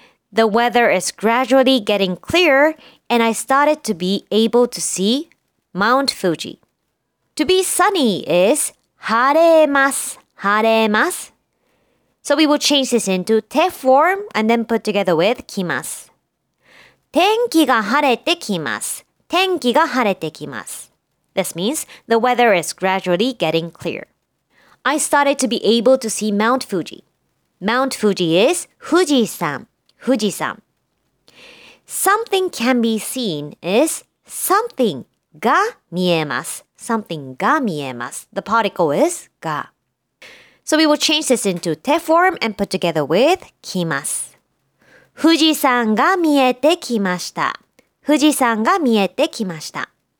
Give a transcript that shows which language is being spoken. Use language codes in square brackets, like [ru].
[en] The weather is gradually getting clearer and I started to be able to see Mount Fuji. To be sunny is [ja] 晴れます。晴れます。 [en] So we will change this into te form and then put together with kimasu. [ja] 天気が晴れてきます。天気が晴れてきます。 [en] This means the weather is gradually getting clear. I started to be able to see Mount Fuji. Mount Fuji is [ja] 富士山。富士山。 [en] Something can be seen is something [ja] が見えます。 [en] something が見えます。 The particle is が。 So we will change this into te form and put together with kimasu. [ja] 富士山が見えてきました。富士山が見えてきました。